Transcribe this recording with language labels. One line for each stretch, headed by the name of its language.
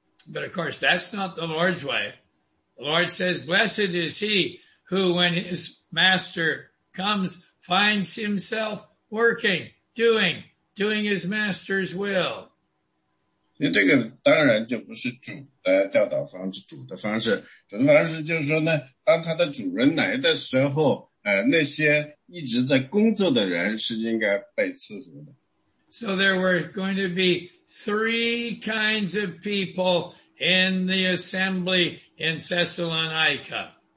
English: But of course, that's not the Lord's way. The Lord says, blessed is he who, when his master comes, finds himself working, doing his master's will.
Chinese: 这个当然就不是主的教导方式，主的方式就是说呢，当他的主人来的时候， 那些一直在工作的人是应该被赐福的。
English: So there were going to be three kinds of people in the assembly in Thessalonica.